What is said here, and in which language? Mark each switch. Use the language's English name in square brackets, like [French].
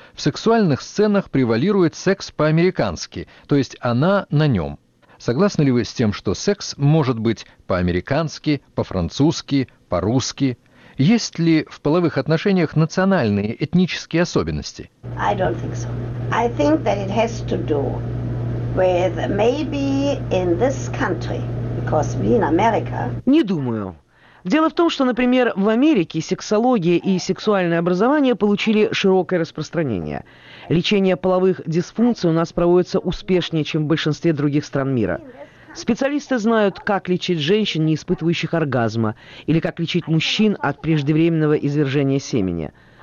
[Russian] В сексуальных сценах превалирует секс по-американски, то есть она на нем. Согласны ли вы с тем, что секс может быть по-американски, по-французски, по-русски? Есть ли в половых отношениях национальные, этнические особенности? [English] I don't think so. I think that it has to do with maybe in this country, because we in America. [Russian] Не думаю. Дело в том, что, например, в Америке сексология и сексуальное образование получили широкое распространение. Лечение половых дисфункций у нас проводится успешнее, чем в большинстве других стран мира. Специалисты знают, как лечить женщин, не испытывающих оргазма, или как лечить мужчин от преждевременного извержения семени.